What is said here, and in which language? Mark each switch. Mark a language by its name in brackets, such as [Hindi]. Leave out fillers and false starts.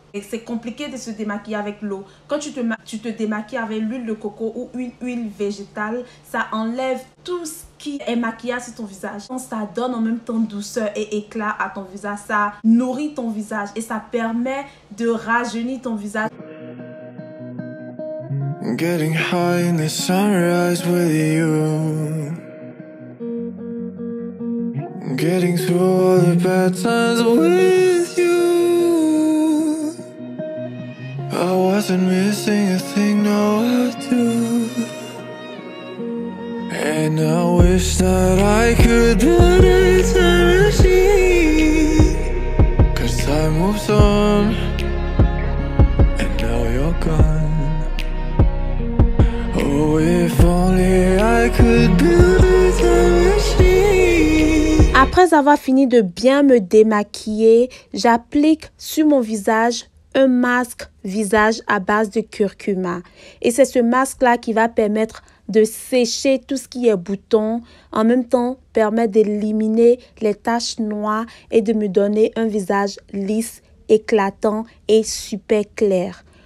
[French] Et c'est compliqué de se démaquiller avec l'eau. Quand tu te démaquilles avec l'huile de coco ou une huile végétale, ça enlève tout ce qui est maquillage sur ton visage. Donc ça donne en même temps douceur et éclat à ton visage. Ça nourrit ton visage et ça permet de rajeunir ton visage. [English] Getting high in the sunrise with you. Getting through all the bad times with you. I wasn't missing a thing, no I do. And I wish that I could build a time machine. Cause time moves on, and now you're gone. Oh, if only I could build a time machine. [French] Après avoir fini de bien me démaquiller, j'applique sur mon visage un masque visage à base de curcuma. Et c'est ce masque-là qui va permettre de sécher tout ce qui est bouton, en même temps permet d'éliminer les taches noires et de me donner un visage lisse, éclatant et super clair.